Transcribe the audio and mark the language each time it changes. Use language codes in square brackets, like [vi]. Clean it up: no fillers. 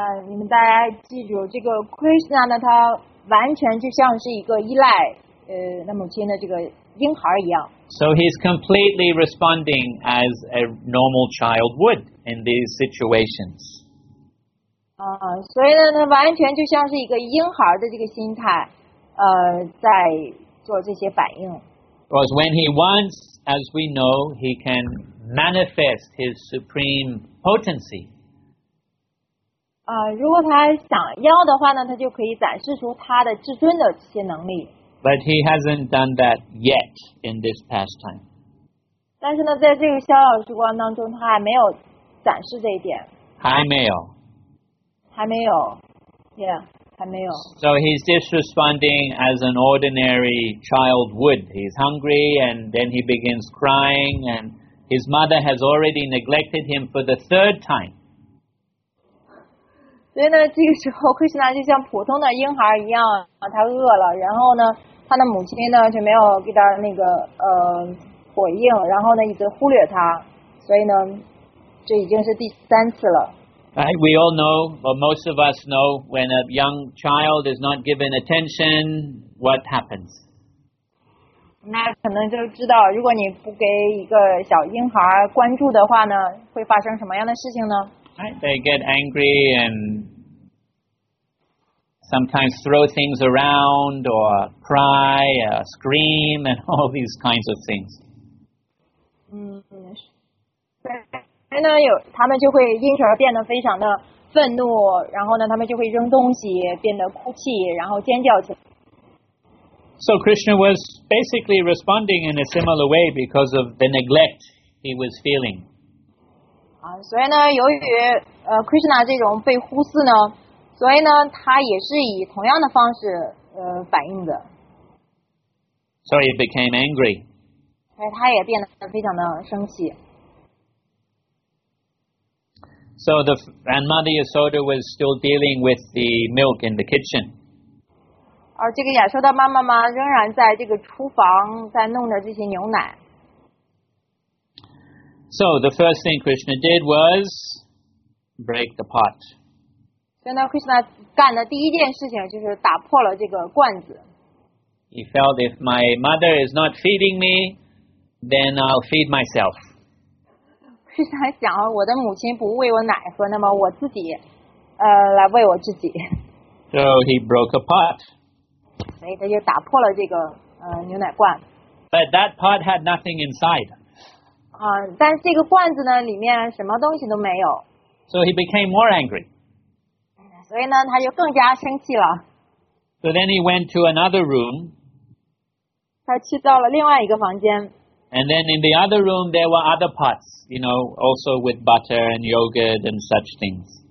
[zh] 你们大家记住，这个 Krishna 呢，他完全就像是一个依赖那母亲的这个婴孩一样。 [en] So he's completely responding as a normal child would in these situations. [zh] 所以呢，他完全就像是一个婴孩的这个心态，在做这些反应。 [en] Because when he wants, as we know, he can. Manifest his supreme potency. [zh] 如果他想要的话呢，他就可以展示出他的至尊的这些能力。 [en] But he hasn't done that yet in this pastime. [zh] 但是呢，在这个逍遥时光当中，他还没有展示这一点。还没有。还没有。Yeah, 还没有。 [en] So he's just responding as an ordinary child would. He's hungry, and then he begins crying and. His mother has already neglected him for the third time. [zh] 所以呢，这个时候 Krishna 就像普通的婴孩一样，他饿了，然后呢，他的母亲呢就没有给他那个回应，然后呢一直忽略他，所以呢，这已经是第三次了。 [en] Right, we all know, or most of us know, when a young child is not given attention, what happens? [zh] 那可能就知道，如果你不给一个小婴孩关注的话呢，会发生什么样的事情呢 [en] ？They get angry and sometimes throw things around or cry or scream and all these kinds of things. [zh] 对，那有他们就会因此而变得非常的愤怒，然后呢，他们就会扔东西，变得哭泣，然后尖叫起来。 [en] So Krishna was basically responding in a similar way because of the neglect he was feeling. [zh] 所以呢，由于Krishna 这种被忽视呢，所以呢，他也是以同样的方式反应的。 [en] So he became angry. [zh] 对，他也变得非常的生气。 [en] So the and Mother Yasoda was still dealing with the milk in the kitchen. [zh] 而这个亚瑟的妈妈嘛，仍然在这个厨房在弄着这些牛奶。 [en] So the first thing Krishna did was break the pot. [zh] 所以呢 ，Krishna 干的第一件事情就是打破了这个罐子。 [en] He felt if my mother is not feeding me, then I'll feed myself. [zh] 是他想我的母亲不喂我奶喝，那么我自己，来喂我自己。 [en] So he broke a pot. [zh] 所以他就打破了这个牛奶罐。 [en] But that pot had nothing inside. [zh] 但这个罐子呢，里面什么东西都没有。 [en] So he became more angry. [zh] 所以呢，他就更加生气了。 [en] So then he went to another room. [zh] 他去到了另外一个房间。 [en] And then in the other room, there were other pots, you know, also with butter and yogurt and such things.